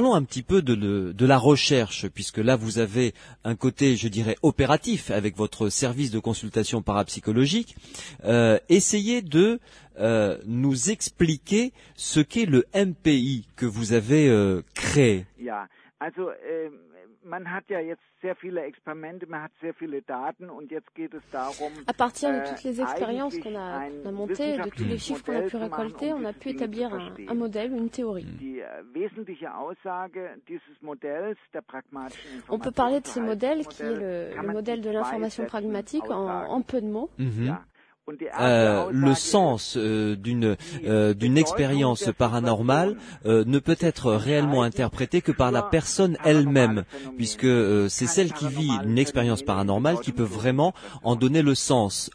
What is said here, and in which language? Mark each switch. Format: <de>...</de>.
<fr>parlons un petit peu de la recherche, puisque là vous avez un côté, je dirais, opératif avec votre service de consultation parapsychologique. Essayez de nous expliquer ce qu'est le MPI que vous avez créé.</fr> <en>Yeah.</en> <de>Also, man hat ja jetzt sehr viele Experimente, man hat sehr viele Daten und jetzt geht es darum,</de> <fr>à partir de toutes les expériences qu'on a montées, de tous les chiffres qu'on a pu récolter, on a pu établir un modèle, une théorie.</fr> <de>Die wesentliche Aussage dieses Modells, der pragmatischen Information.</de> <fr>On peut parler de ce modèle qui est le modèle de l'information pragmatique en peu de mots. Le sens d'une expérience paranormale ne peut être réellement interprété que par la personne elle-même, puisque c'est celle qui vit une expérience paranormale qui peut vraiment en donner le sens.</fr>